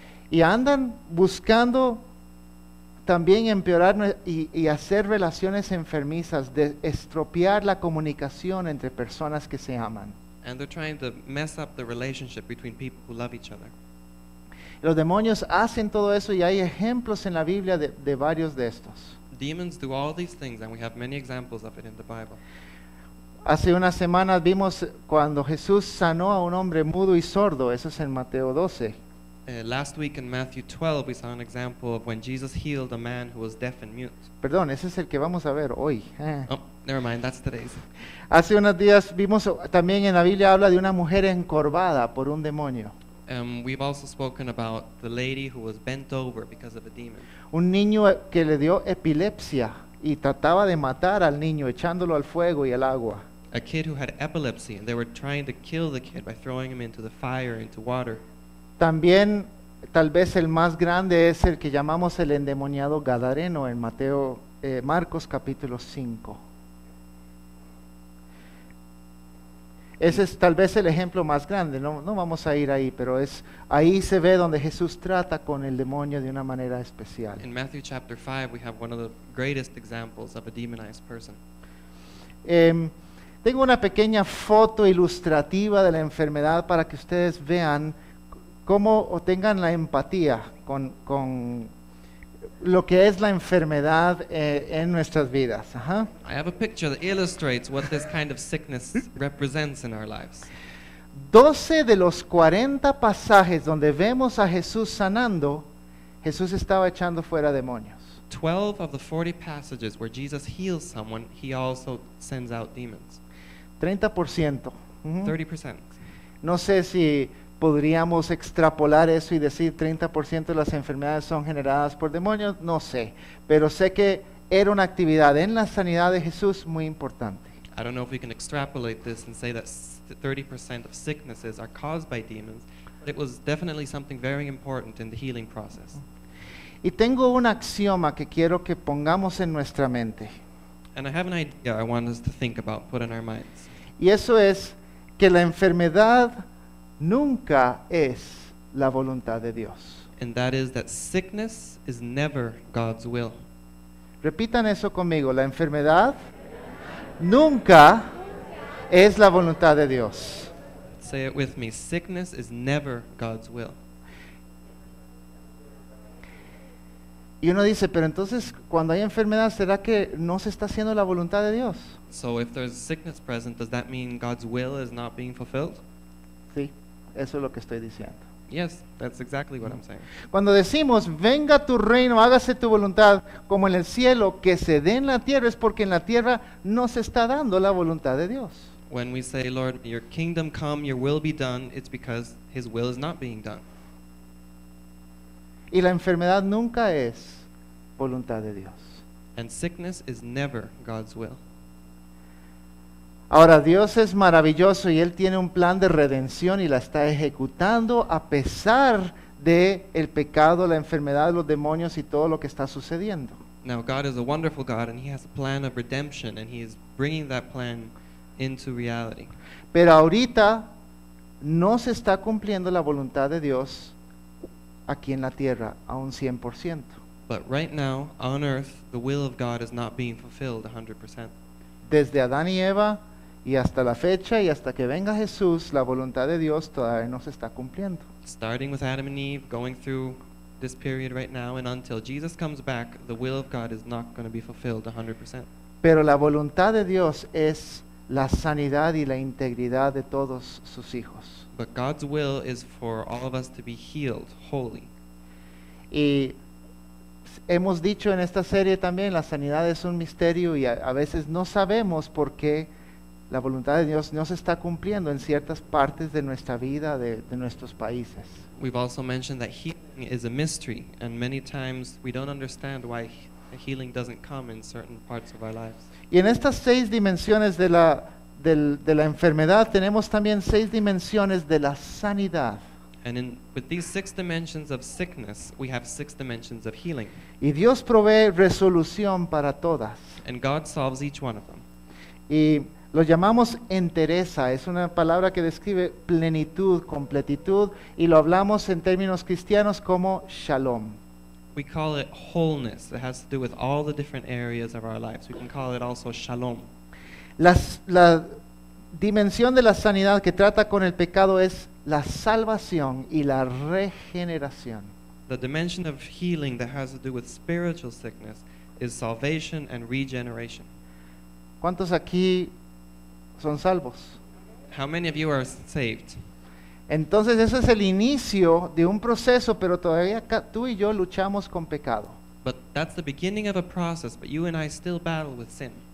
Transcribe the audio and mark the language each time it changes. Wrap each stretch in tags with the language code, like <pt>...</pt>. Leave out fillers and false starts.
<es>Y andan buscando también empeorar y hacer relaciones enfermizas, de estropear la comunicación entre personas que se aman.</es> <en>And they're trying to mess up the relationship between people who love each other.</en> <es>Los demonios hacen todo eso y hay ejemplos en la Biblia de varios de estos.</es> <en>Demons do all these things and we have many examples of it in the Bible.</en> <es>Hace unas semanas vimos cuando Jesús sanó a un hombre mudo y sordo. Eso es en Mateo 12.</es> <en>Last week in Matthew 12 we saw an example of when Jesus healed a man who was deaf and mute.</en> <es>Perdón, ese es el que vamos a ver hoy.</es> <en>Never mind, that's today's.</en> <es>Hace unos días vimos también en la Biblia habla de una mujer encorvada por un demonio.</es> <en>We've also spoken about the lady who was bent over because of a demon.</en> <es>Un niño que le dio epilepsia y trataba de matar al niño echándolo al fuego y al agua.</es> <en>A kid who had epilepsy and they were trying to kill the kid by throwing him into the fire, into water.</en> <es>También tal vez el más grande es el que llamamos el endemoniado gadareno en Mateo, Marcos capítulo 5. Ese es tal vez el ejemplo más grande, no vamos a ir ahí, pero es ahí se ve donde Jesús trata con el demonio de una manera especial.</es> <en>In Matthew chapter 5 we have one of the greatest examples of a demonized person.</en> <es>Tengo una pequeña foto ilustrativa de la enfermedad para que ustedes vean cómo o tengan la empatía con lo que es la enfermedad en nuestras vidas.</es> <en>I have a picture that illustrates what this kind of sickness represents in our lives.</en> <es>12 de los 40 pasajes donde vemos a Jesús sanando, Jesús estaba echando fuera demonios.</es> <en>12 of the 40 passages where Jesus heals someone, he also sends out demons.</en> <es>30%.</es> <en>Mm-hmm. 30%.</en> <es>No sé si podríamos extrapolar eso y decir 30% de las enfermedades son generadas por demonios, no sé, pero sé que era una actividad en la sanidad de Jesús muy importante.</es> <en>I don't know if we can extrapolate this and say that 30% of sicknesses are caused by demons, but it was definitely something very important in the healing process.</en> <es>Y tengo un axioma que quiero que pongamos en nuestra mente.</es> <en>And I have an idea I want us to think about, put in our minds.</en> <es>Y eso es que la enfermedad nunca es la voluntad de Dios.</es> <en>And that is that sickness is never God's will.</en> <es>Repitan eso conmigo, la enfermedad nunca es la voluntad de Dios.</es> <en>Say it with me, sickness is never God's will.</en> <es>Y uno dice, pero entonces cuando hay enfermedad, ¿será que no se está haciendo la voluntad de Dios?</es> <en>So if there's sickness present, does that mean God's will is not being fulfilled?</en> <es>Sí, eso es lo que estoy diciendo.</es> <en>Yes, that's exactly what I'm saying.</en> <es>Cuando decimos, venga tu reino, hágase tu voluntad, como en el cielo, que se dé en la tierra, es porque en la tierra no se está dando la voluntad de Dios.</es> <en>When we say, Lord, your kingdom come, your will be done, it's because his will is not being done.</en> <es>Y la enfermedad nunca es voluntad de Dios.</es> <en>And sickness is never God's will.</en> <es>Ahora, Dios es maravilloso y Él tiene un plan de redención y la está ejecutando a pesar de el pecado, la enfermedad, los demonios y todo lo que está sucediendo.</es> <en>Now, God is a wonderful God and He has a plan of redemption and He is bringing that plan into reality.</en> <es>Pero ahorita no se está cumpliendo la voluntad de Dios aquí en la tierra a un 100%.</es> <en>But right now, on earth, the will of God is not being fulfilled 100%.</en> <es>Desde Adán y Eva y hasta la fecha y hasta que venga Jesús, la voluntad de Dios todavía no se está cumpliendo.</es> <en>Starting with Adam and Eve, going through this period right now and until Jesus comes back, the will of God is not going to be fulfilled 100%.</en> <es>Pero la voluntad de Dios es la sanidad y la integridad de todos sus hijos.</es> <en>But God's will is for all of us to be healed wholly.</en> <es>Y hemos dicho en esta serie también, la sanidad es un misterio y a veces no sabemos por qué la voluntad de Dios no se está cumpliendo en ciertas partes de nuestra vida, de nuestros países.</es> <en>We've also mentioned that healing is a mystery and many times we don't understand why healing doesn't come in certain parts of our lives.</en> <es>Y en estas seis dimensiones de la enfermedad tenemos también seis dimensiones de la sanidad.</es> <en>And with these six dimensions of sickness, we have six dimensions of healing.</en> <es>Y Dios provee resolución para todas.</es> <en>And God solves each one of them.</en> <es>Y lo llamamos entereza, es una palabra que describe plenitud, completitud, y lo hablamos en términos cristianos como shalom.</es> <en>We call it wholeness. It has to do with all the different areas of our lives. We can call it also shalom.</en> <es>La dimensión de la sanidad que trata con el pecado es la salvación y la regeneración.</es> <en>The dimension of healing that has to do with spiritual sickness is salvation and regeneration.</en> <es>¿Cuántos aquí son salvos?</es> <en>How many of you are saved?</en> <es>Entonces ese es el inicio de un proceso, pero todavía tú y yo luchamos con pecado.</es> <en>But that's the beginning of a process, but you and I still battle with sin.</en>